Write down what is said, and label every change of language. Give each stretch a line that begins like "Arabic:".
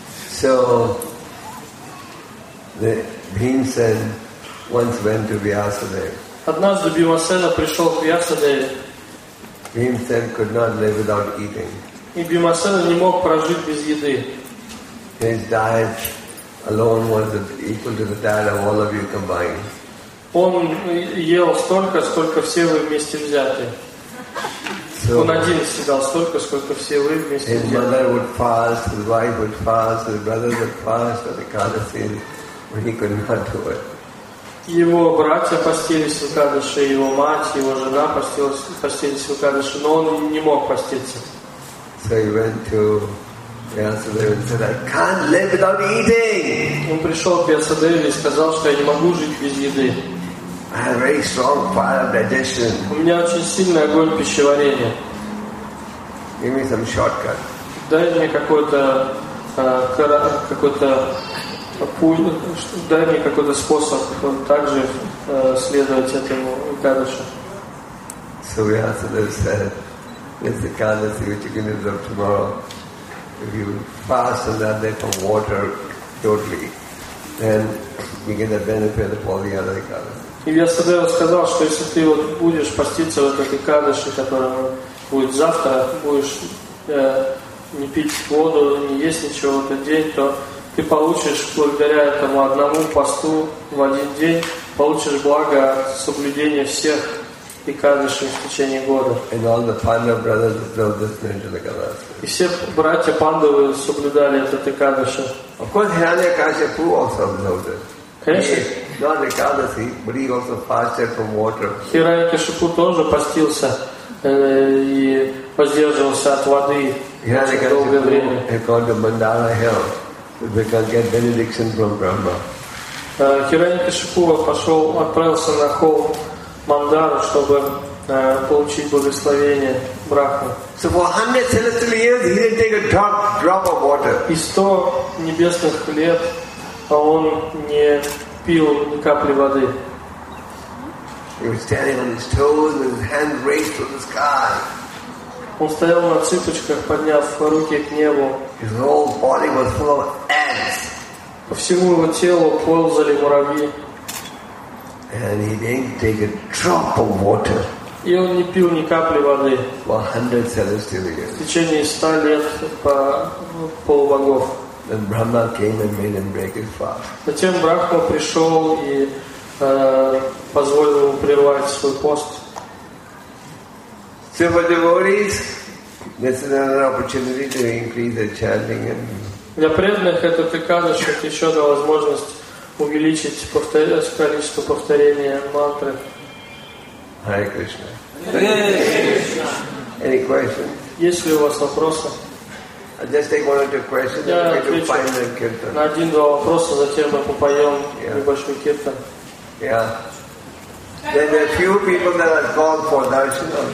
English: So the Bhimsen once went to Vyasadeva.
Russian: Однажды Бхимасена пришел к Вьясадеве.
English: Бхимасен could not live without eating.
Russian: И Бхимасена не мог прожить без еды.
English: His diet alone was equal to the diet of all of you combined.
Russian: Он ел столько, сколько все вы вместе взяты.
English: So,
Russian: он один съедал столько, сколько все вы вместе взяты.
English: His mother would fast, his wife would fast, his brothers would fast, but the Kadasi, but he could not do it.
Russian: Его братья постились в Экадаши, его мать, его жена постились в Экадаши, но он не мог поститься.
English: So he went to Vyasadeva and said, I can't live without eating.
Russian: Он пришел к Вьясадеве и сказал, что я не могу жить без еды.
English: I have very strong fire digestion.
Russian: У меня очень сильный огонь пищеварения.
English: Give me some shortcut.
Russian: Дай мне какой-то дай мне какой-то способ также следовать этому Экадаши.
English: So Vyasadeva said, it's the Kadasi which you can observe tomorrow. If you fast on that day from water totally, then you get the benefit of all the other Kadasi.
Russian: И Vyasadeva сказал, что если ты вот будешь поститься в этой Экадаши, которая будет завтра, будешь не пить воду, не есть ничего в этот день, то ты получишь благодаря этому одному посту в один день получишь благо соблюдения всех Экадаши в течение года.
English: And all the Pandava brothers observed this Nirjala Kadasi.
Russian: И все братья Пандавы соблюдали этот Экадаши.
English: Of course, Hiranyakashipu also observed it.
Russian: Конечно.
English: Not Ekadasi, but he also fasted from water.
Russian: Hiranyakashipu тоже постился и воздерживался от воды долгое время.
English: Hiranyakashipu had gone to Mandala Hill. We can get benediction from Brahma.
Russian: Hiranyakashipu пошел, отправился на холм Мандару, чтобы получить благословение Брахмы.
English: So for 100 celestial years, he didn't take a drop of water.
Russian: И 100 небесных лет, а он не пил ни капли воды.
English: He was standing on his toes, and his hands raised to the sky.
Russian: Он стоял на цыпочках, подняв руки к небу.
English: His whole body was full of ants.
Russian: По всему его телу ползали муравьи.
English: And he didn't take a drop of water.
Russian: И он не пил ни капли воды.
English: 100 celestial years.
Russian: В течение 100 лет по полубогов.
English: Then Brahma came and made him break his fast.
Russian: Затем Брахма пришел и позволил ему прервать свой пост.
English: So for devotees, this is another opportunity to increase the chanting.
Russian: Для преданных это такая еще одна возможность увеличить количество повторения мантры.
English: Hare Krishna. Any questions?
Russian: Есть ли у вас вопросы?
English: I just take one or two questions.
Russian: Я
English: and we can do final kirtan.
Russian: На один-два вопроса, затем мы попоем небольшой киртан.
English: Yeah. Then there are few people that are called for darshan.